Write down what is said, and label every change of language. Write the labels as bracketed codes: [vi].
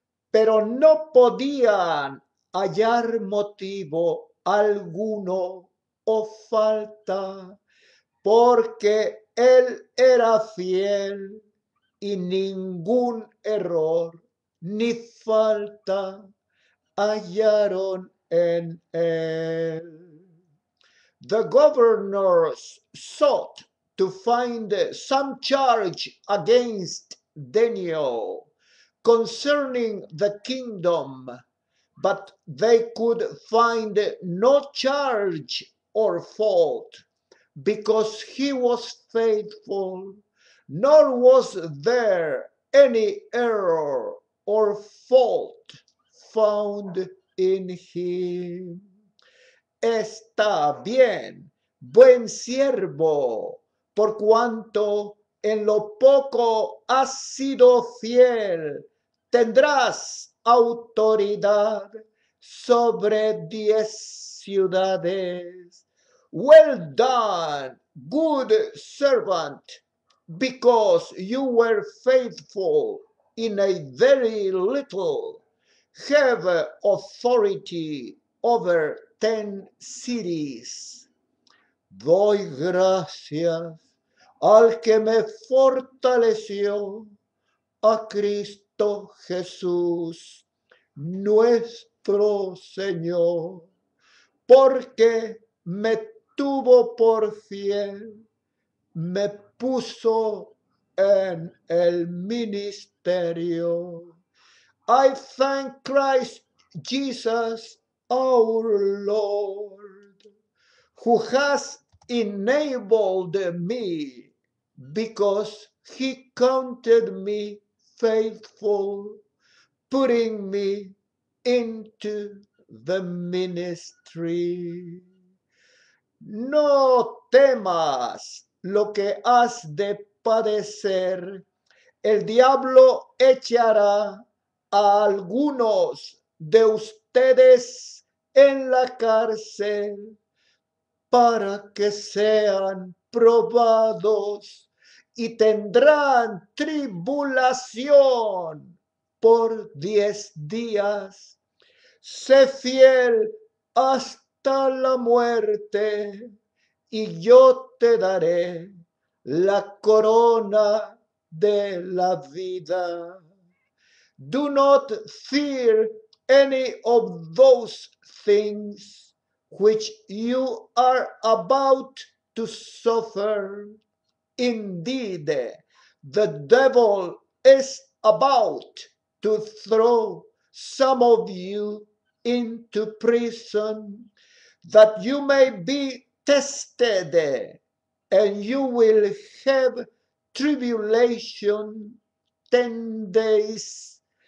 [es] pero no podían hallar motivo alguno o falta, porque él era fiel y ningún error ni falta hallaron en él. [en] The governors sought to find some charge against Daniel concerning the kingdom, but they could find no charge or fault, because he was faithful, nor was there any error or fault found in him. [es] Está bien, buen siervo, por cuanto en lo poco has sido fiel, tendrás autoridad sobre 10 ciudades. [en] Well done, good servant, because you were faithful in a very little, have authority over 10 cities. [es] Doy gracias al que me fortaleció, a Cristo Jesús, nuestro Señor, porque me tuvo por fiel, me puso en el ministerio. [en] I thank Christ Jesus, our Lord, who has enabled me because he counted me faithful, putting me into the ministry. [es] No temas lo que has de padecer El diablo echará a algunos de ustedes en la cárcel para que sean probados y tendrán tribulación por 10 días. Sé fiel hasta la muerte y yo te daré la corona de la vida. [en] Do not fear any of those things which you are about to suffer. Indeed, the devil is about to throw some of you into prison, that you may be tested, and you will have tribulation 10 days.